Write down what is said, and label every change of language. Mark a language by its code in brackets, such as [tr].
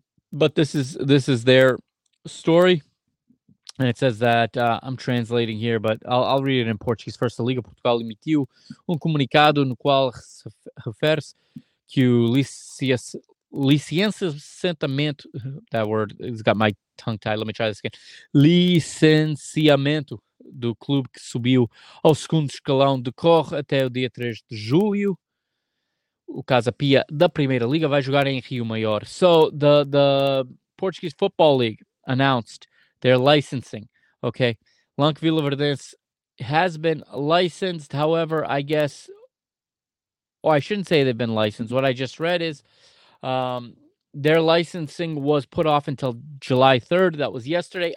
[en] But this is their story, and it says that I'm translating here, but I'll read it in Portuguese first. [pt] A Liga Portugal emitiu comunicado no qual refere que o licenciamento. [en] That word has got my tongue tied. Let me try this again. [pt] Licenciamento do clube que subiu ao segundo escalão decorre até o dia 3 de julho. O Casa Pia da Primeira Liga vai jogar em Rio Maior. [en] So the Portuguese Football League announced their licensing. Okay. Lank Vilaverdense has been licensed. However, I guess, or I shouldn't say they've been licensed. What I just read is their licensing was put off until July 3rd. That was yesterday.